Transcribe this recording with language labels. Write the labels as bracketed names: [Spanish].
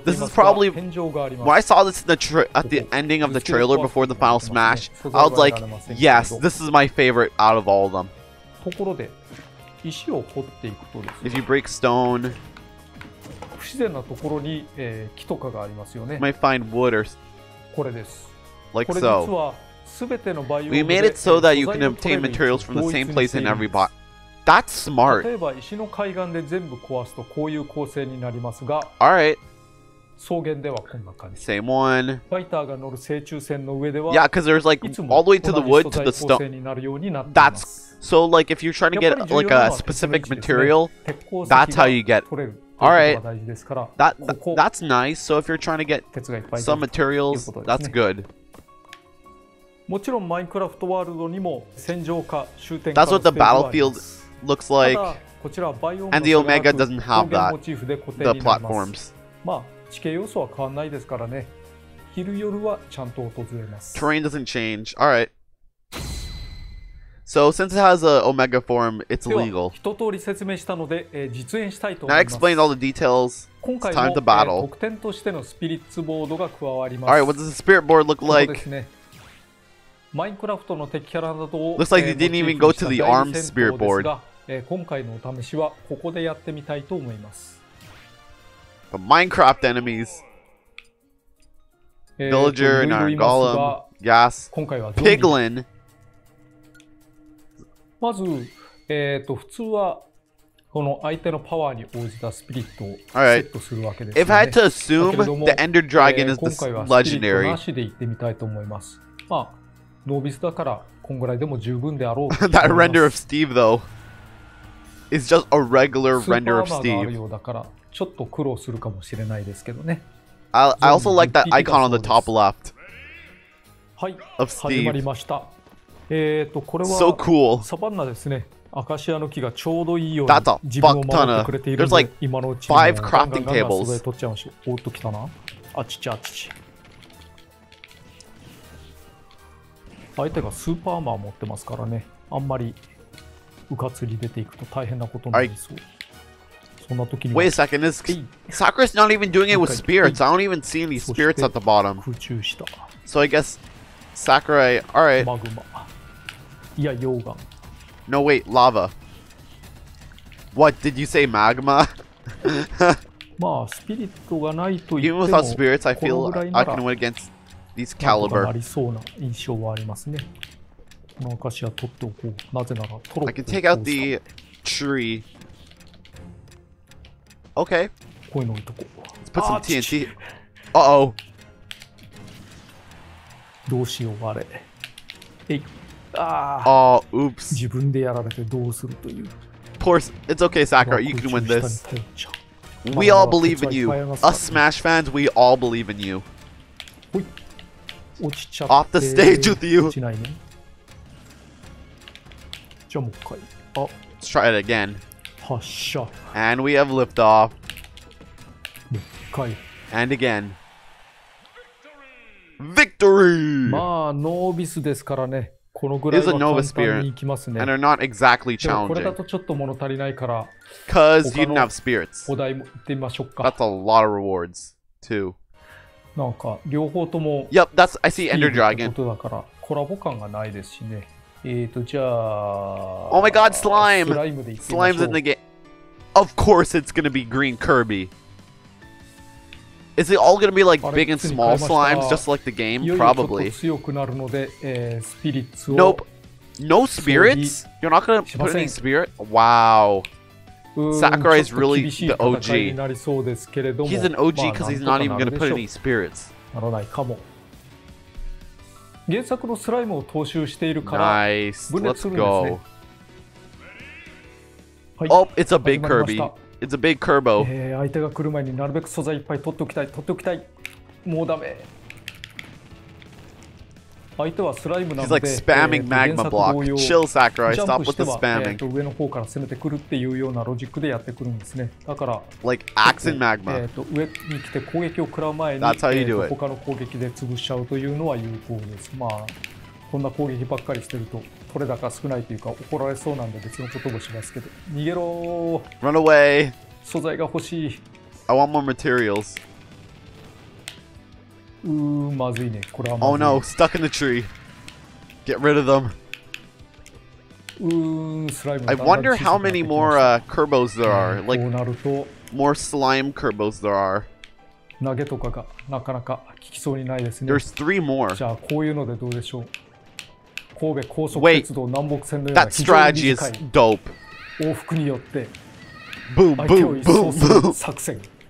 [Japanese] ています。 [English] This is probably when I saw this in the at the ending of the trailer before the final smash. I was like, yes, this is my favorite out of all of them. [Japanese] ところで石を掘っていくとですね。 [English] If you break stone, [Japanese] 不自然なところに木とかがありますよね。 [English] You might find wood or [Japanese] これです。 [English] Like so. We made it so that you can obtain materials from the same place in every bot. That's smart. [Japanese] 例えば石の海岸で全部壊すとこういう構成になりますが、 [English] All right. [Japanese] 草原ではこんな感じ。 [English] Same one. [Japanese] ファイターが乗る正中線の上では、 [English] Yeah, because there's like all the way to the wood to the stone. That's so like if you're trying to get like a specific material, that's how you get. All right. That's nice. So if you're trying to get some materials, that's good. [Japanese] もちろんマインクラフトワールドにも戦場か終点 [English] か That's what the battlefield looks like. [Japanese] こちらはバイオ [English] ン the Omega doesn't have that. The platforms. [Japanese] まあ地形要素は変わらないですからね。昼夜はちゃんと訪れます。 [English] Terrain doesn't change. All right. So since it has a Omega form, it's legal. [Japanese] 一通り説明したので、実演したいと思います。 [English] I explained all the details. [Japanese] 今回も特典としてのスピリッツボードが加わります。 [English] All right. What does the spirit board look like? [Japanese] マインクラフトの敵キャラなどを [English] Looks like they didn't even go to the armed spirit board. [Japanese] 今回のお試しはここでやってみたいと思います。 [English] The Minecraft enemies. Villager and our golem. Gas. [Japanese] 今回は [English] Piglin. [Japanese] まず、普通はこの相手のパワーに応じたスピリットをセットするわけですね。 [English] If I had to assume, the Ender Dragon is the legendary. [Japanese] 今回はスピリットなしで行ってみたいと思います。まあノービスだからこんぐらいでも十分であろう。 [English] That render of Steve though is just a regular render of Steve. [Japanese] スーパーマーがあるようだからちょっと苦労するかもしれないですけどね。 [English] I also like that icon on the top left. [Japanese] はい。始まりました。これは [English] so cool. [Japanese] サバンナですね。アカシアの木がちょうどいいように自分を守ってくれているので、 [English] like、 [Japanese] 今のうち [English] に5 crafting tables. [Japanese] ガンガンガン取っちゃいましょう。おっときたな。あちちあちち。相手がスーパーアーマー持ってますからね。あんまりうかつに出ていくと大変なことになりそう。そんな時に。 [English] Wait a second, is Sakura's not even doing it with spirits? I don't even see any spirits at the bottom. [Japanese] 空中した。 [English] So I guess Sakura, all right. [Japanese] マグマ。いや溶岩。 [English] No wait, lava. What did you say, magma? [Japanese] まあスピリットがないと言っても。 [English] Even without spirits, I feel I can win against. These caliber. [Japanese] ありそうな印象はありますね。このアカシア取っておこう。なぜならトロッコ。 [English] I can take out the tree. Okay. [Japanese] こういうの置いとこう。 [English] Let's put some TNT. Uh-oh. [Japanese] どうしようあれ。えい。 [English] ああ。Oh, oops. [Japanese] 自分でやられてどうするという。 [English] Poor. It's okay, Sakura. You can win this. We all believe in you. Us Smash fans, we all believe in you. [Japanese] 落ちちゃって [English] Off the stage with you. [Japanese] 落ちないね。じゃあもう一回。 [English] Let's try it again. [Japanese] 発射。 [English] And we have lift off. [Japanese] もう一回。 [English] And again. Victory! [Japanese] まあ、ノービスですからね。このぐらいは簡単に行きますね。 [English] And they're not exactly challenging. [Japanese] これだとちょっと物足りないから。 [English] Because you didn't have spirits. [Japanese] お題も行ってみましょうか。 [English] That's a lot of rewards, too. [Japanese] なんか両方とも [English] Yep, that's I see Ender Dragon. [Japanese] ことだからコラボ感がないですしね。じゃあ [English] Oh my God, slime! [Japanese] Slime で [English] Slime's in the game. Of course, it's gonna be Green Kirby. Is it all gonna be like big and small slimes, just like the game? Probably. [Japanese] いよいよちょっと強くなるので、スピリッツを [English] Nope, no spirits. You're not gonna put any spirit. Wow. Sakurai is really the OG. He's an OG because he's not even going to put any spirits. [Japanese] ならないかも。原作のスライムを踏襲しているから。 [English] Nice. Let's go.、 [Japanese] はい、 [English] oh, it's a big Kirby. It's a big Kirbo. [Japanese] 相手が来る前になるべく素材いっぱい取っておきたい。取っておきたい。もうダメ。相手はスライムなので [English] 、like spamming magma block. Chill, Sakurai. Stop with the spamming. [Japanese] 上の方から攻めてくるっていうようなロジックでやってくるんですね。だから、 [English] like axe and magma. [Japanese] 上に来て攻撃を食らう前に、他の攻撃で潰しちゃうというのは有効です。まあ、こんな攻撃ばっかりしてると取れ高少ないというか怒られそうなんで別のこともしますけど、逃げろー。 [English] Run away. [Japanese] 素材が欲しい。 [English] I want more materials. [Japanese] まずいね、これはまずい。 [English] Oh no, stuck in the tree. Get rid of them. [Japanese] スライム。 [English] I wonder how many more Kerbos there are. Like, more slime Kerbos there are. [Japanese] 投げとかがなかなか効きそうにないですね。 [English] There's three more. [Japanese] じゃあこういうのでどうでしょう。神戸高速鉄道南北線のような非常に短い [English] That strategy is dope. [Japanese] 往復によって。 [English] Boom, boom, boom, boom. [Japanese] 作戦。